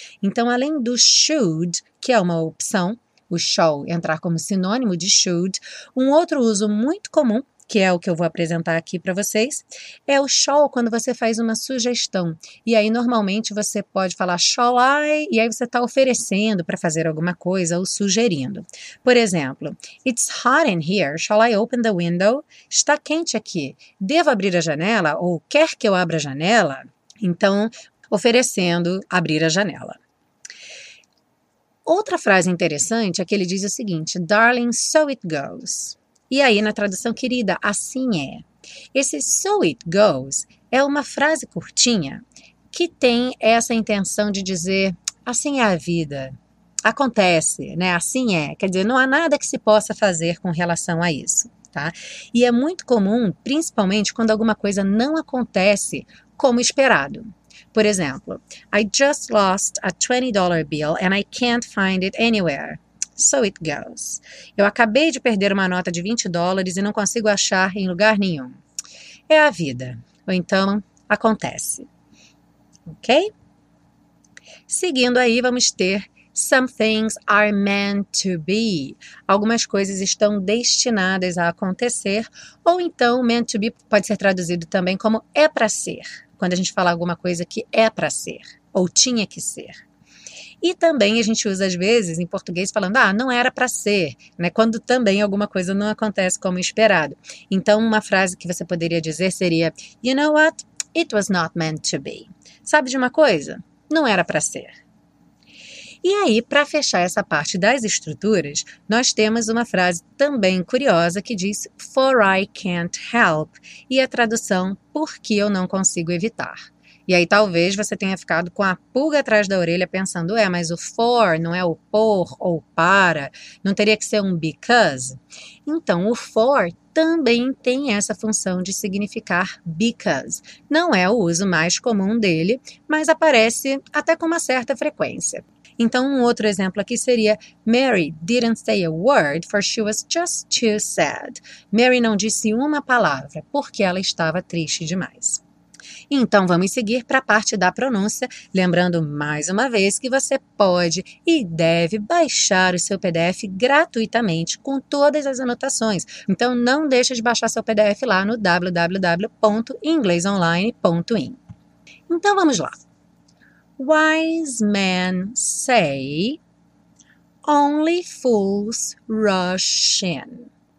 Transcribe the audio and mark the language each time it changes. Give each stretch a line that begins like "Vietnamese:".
Portuguese: Então, além do should, que é uma opção, o shall entrar como sinônimo de should, um outro uso muito comum, que é o que eu vou apresentar aqui para vocês, é o shall quando você faz uma sugestão. E aí, normalmente, você pode falar shall I, e aí você está oferecendo para fazer alguma coisa ou sugerindo. Por exemplo,
English: it's hot in here, shall I open the window?
Portuguese: Está quente aqui, devo abrir a janela ou quer que eu abra a janela? Então, oferecendo abrir a janela. Outra frase interessante é que ele diz o seguinte,
English: darling, so it goes.
Portuguese: E aí, na tradução, querida, assim é. Esse
English: so it goes
Portuguese: é uma frase curtinha que tem essa intenção de dizer, assim é a vida, acontece, né? Assim é. Quer dizer, não há nada que se possa fazer com relação a isso, tá? E é muito comum, principalmente quando alguma coisa não acontece como esperado. Por exemplo,
English: I just lost a $20 bill and I can't find it anywhere. So it goes.
Portuguese: Eu acabei de perder uma nota de $20 e não consigo achar em lugar nenhum. É a vida. Ou então, acontece. Ok? Seguindo aí, vamos ter
English: Some things are meant to be.
Portuguese: Algumas coisas estão destinadas a acontecer, ou então meant to be pode ser traduzido também como é para ser, quando a gente fala alguma coisa que é para ser ou tinha que ser. E também a gente usa às vezes em português falando, ah, não era para ser, né? Quando também alguma coisa não acontece como esperado. Então, uma frase que você poderia dizer seria,
English: you know what? It was not meant to be.
Portuguese: Sabe de uma coisa? Não era para ser. E aí, para fechar essa parte das estruturas, nós temos uma frase também curiosa que diz,
English: for I can't help.
Portuguese: E a tradução, porque eu não consigo evitar. E aí, talvez você tenha ficado com a pulga atrás da orelha pensando, é, mas o for não é o por ou para, não teria que ser um because? Então, o for também tem essa função de significar because. Não é o uso mais comum dele, mas aparece até com uma certa frequência. Então, um outro exemplo aqui seria,
English: Mary didn't say a word for she was just too sad.
Portuguese: Mary não disse uma palavra porque ela estava triste demais. Então, vamos seguir para a parte da pronúncia, lembrando mais uma vez que você pode e deve baixar o seu PDF gratuitamente com todas as anotações. Então, não deixe de baixar seu PDF lá no www.inglesonline.in. Então, vamos lá.
English: Wise men say, only fools rush in.